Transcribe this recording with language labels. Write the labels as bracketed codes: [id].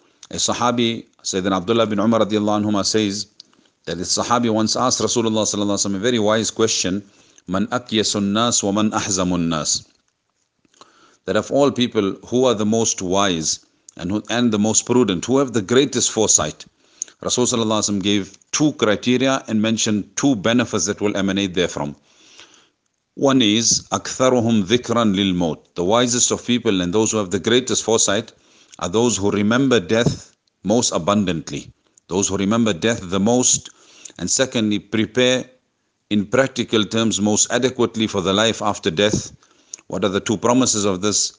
[en] A sahabi, Sayyidina Abdullah bin Umar radiallahu anhuma, says that the sahabi once asked Rasulullah sallallahu alayhi wa sallam a very wise question, [ar] man akyasu an-nas wa man ahzamu an-nas. [en] That of all people, who are the most wise and the most prudent, who have the greatest foresight? Rasul sallallahu alayhi wa sallam gave two criteria and mentioned two benefits that will emanate therefrom. One is, [ar] أَكْثَرُهُمْ ذِكْرًا لِلْمَوْتِ. [en] The wisest of people and those who have the greatest foresight are those who remember death most abundantly. Those who remember death the most. And secondly, prepare in practical terms most adequately for the life after death. What are the two promises of this?